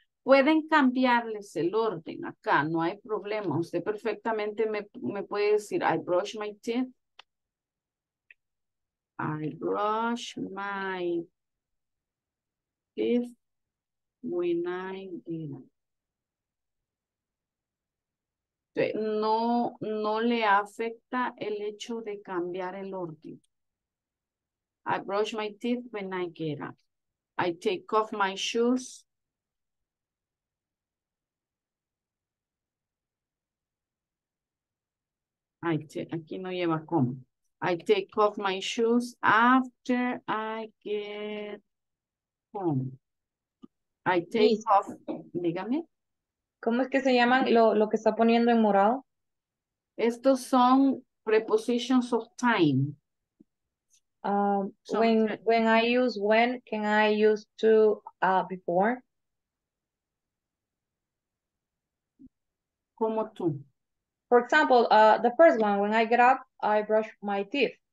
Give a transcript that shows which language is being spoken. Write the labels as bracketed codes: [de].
[es] Pueden cambiarles el orden acá, no hay problema. Usted perfectamente me puede decir, [en] I brush my teeth. I brush my teeth when I get up. [es] No le afecta el hecho de cambiar el orden. [en] I brush my teeth when I get up. I take off my shoes. [es] Aquí no lleva coma. [en] I take off my shoes after I get home. I take Miss, off. [es] Dígame. ¿Cómo es que se llaman lo que está poniendo en morado? Estos son prepositions of time. [en] When I use when, can I use to before? [es] ¿Cómo tú? [en] For example, the first one, when I get up, I brush my teeth.